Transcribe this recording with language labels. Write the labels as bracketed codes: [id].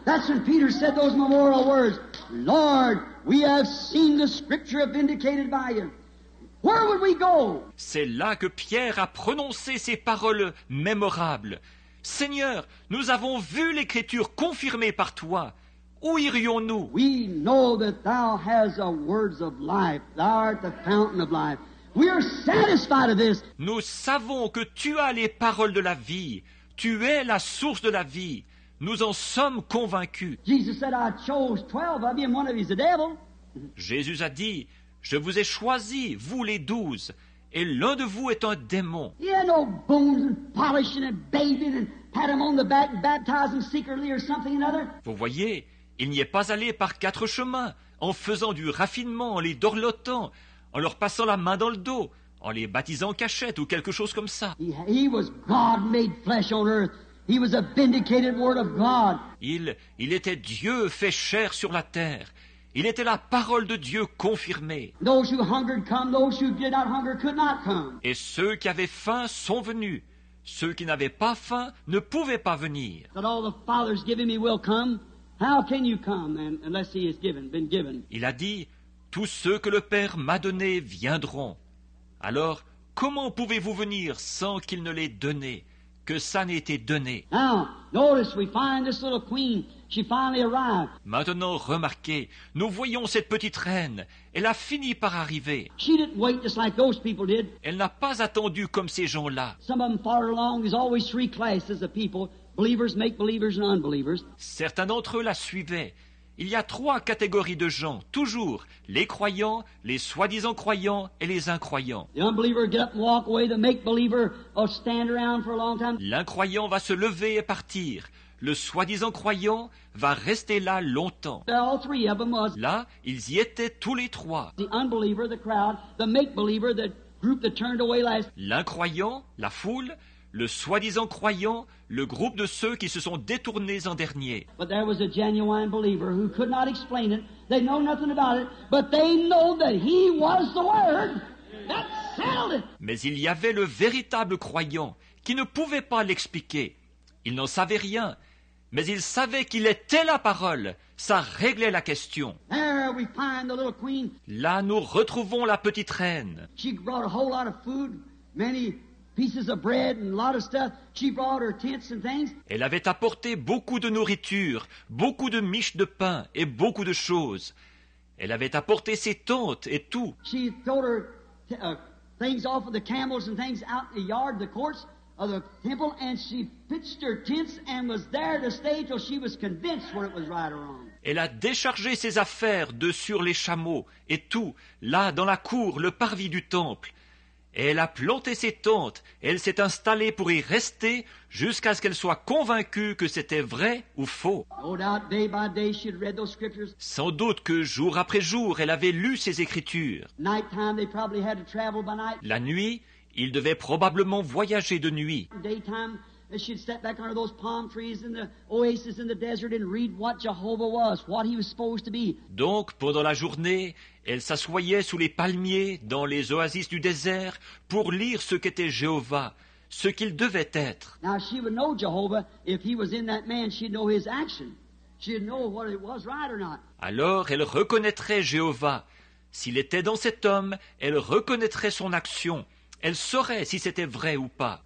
[en] That's when Peter said those memorial words. Lord, we have seen the Scripture vindicated by you. Where would we go? [fr] C'est là que Pierre a prononcé ces paroles mémorables. Seigneur, nous avons vu l'Écriture confirmée par toi. Où irions-nous? [en] We know that thou hast the words of life. Thou art the fountain of life. We are satisfied of this. [fr] Nous savons que tu as les paroles de la vie. Tu es la source de la vie. Nous en sommes convaincus. [en] Jesus said, I chose 12 of you, and one of you is the devil. [fr] Jésus a dit, je vous ai choisi, vous les 12, et l'un de vous est un démon. [en] Yeah, no bones and polishing and bathing and pat him on the back and baptizing secretly or something another. [fr] Vous voyez, il n'y est pas allé par quatre chemins, en faisant du raffinement, en les dorlotant, en leur passant la main dans le dos, en les baptisant en cachette ou quelque chose comme ça. [en] He was God made flesh on earth. He was a vindicated word of God. [fr] Il était Dieu fait chair sur la terre. Il était la parole de Dieu confirmée. [en] Those who hungered come, those who did not hunger could not come. [fr] Et ceux qui avaient faim sont venus. Ceux qui n'avaient pas faim ne pouvaient pas venir. [en] But all the Father's given me will come. How can you come unless he has been given? [fr] Il a dit, tous ceux que le Père m'a donnés viendront. Alors, comment pouvez-vous venir sans qu'il ne l'ait donné, que ça n'ait été donné? [en] Now, notice we find this little queen. She finally arrived. [fr] Maintenant, remarquez, nous voyons cette petite reine. Elle a fini par arriver. [en] She didn't wait just like those people did. [fr] Elle n'a pas attendu comme ces gens-là. [en] Some of them far along, there's always three classes of people. Believers, make believers, and unbelievers. [fr] Certains d'entre eux la suivaient. Il y a trois catégories de gens, toujours, les croyants, les soi-disant croyants et les incroyants. [en] The unbeliever get up and walk away, the make believer will stand around for a long time. [fr] L'incroyant va se lever et partir. Le soi-disant croyant va rester là longtemps. [en] All three of them was. [fr] Là, ils y étaient tous les trois. [en] The unbeliever, the crowd, the make believer, the group that turned away last. [fr] L'incroyant, la foule, le soi-disant croyant, le groupe de ceux qui se sont détournés en dernier. [en] But there was a genuine believer who could not explain it. They know nothing about it, but they know that he was the word that settled it. [fr] Mais il y avait le véritable croyant qui ne pouvait pas l'expliquer. Il n'en savait rien, mais il savait qu'il était la parole. Ça réglait la question. [en] There we find the little queen. [fr] Là, nous retrouvons la petite reine. [en] She brought a whole lot of food, many pieces of bread and a lot of stuff. She brought her tents and things. [fr] Elle avait apporté beaucoup de nourriture, beaucoup de miches de pain et beaucoup de choses. Elle avait apporté ses tentes et tout. [en] She threw her things off of the camels and things out in the yard, the courts of the temple, and she pitched her tents and was there to stay till she was convinced where it was right or wrong. [fr] Elle a déchargé ses affaires de sur les chameaux et tout, là dans la cour, le parvis du temple. Et elle a planté ses tentes, elle s'est installée pour y rester jusqu'à ce qu'elle soit convaincue que c'était vrai ou faux. [en] No doubt, day by day, she had read those scriptures. [fr] Sans doute que jour après jour, elle avait lu ces écritures. [en] Nighttime, they probably had to travel by night. [fr] La nuit, il devait probablement voyager de nuit. [en] Daytime, she'd sit back under those palm trees in the oasis in the desert and read what Jehovah was, what he was supposed to be. [fr] Donc, pendant la journée, elle s'assoyait sous les palmiers dans les oasis du désert pour lire ce qu'était Jéhovah, ce qu'il devait être. [en] Now, she would know Jehovah if he was in that man. She'd know his action. She'd know what it was right or not. [fr] Alors, elle reconnaîtrait Jéhovah. S'il était dans cet homme, elle reconnaîtrait son action. Elle saurait si c'était vrai ou pas.